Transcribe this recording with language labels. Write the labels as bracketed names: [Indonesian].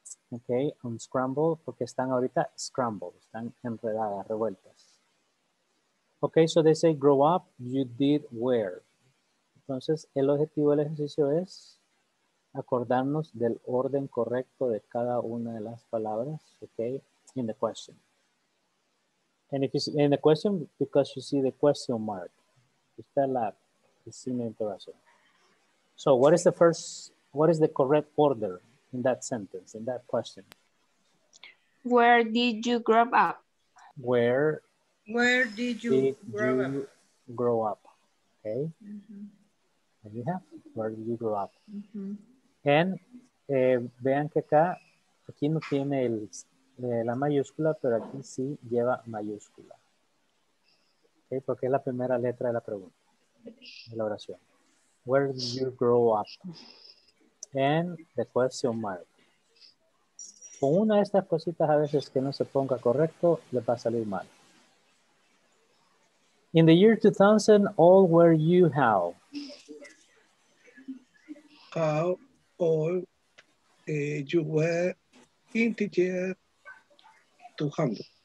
[Spanish] Okay, unscramble, porque están ahorita scramble, están enredadas, revueltas. [English] Okay, so they say grow up, you did where. [Spanish] Entonces, el objetivo del ejercicio es acordarnos del orden correcto de cada una de las palabras, okay, [English] in the question. And if it's in the question, because you see the question mark, [Spanish] está la signo de interrogación. [English] So what is the first, what is the correct order in that sentence, in that question? Where did you grow up? Where did you grow up? Okay. Mm-hmm. There you have, where did you grow up? Mm-hmm. [Spanish] And vean que acá, aquí no tiene el, la mayúscula, pero aquí sí lleva mayúscula. Okay, porque es la primera letra de la pregunta, de la oración. [English] Where did you grow up? And the question mark. [Spanish] Con una de estas cositas a veces que no se ponga correcto, le va a salir mal. [English] In the year 2000, all were you how? How old you were in the year 200?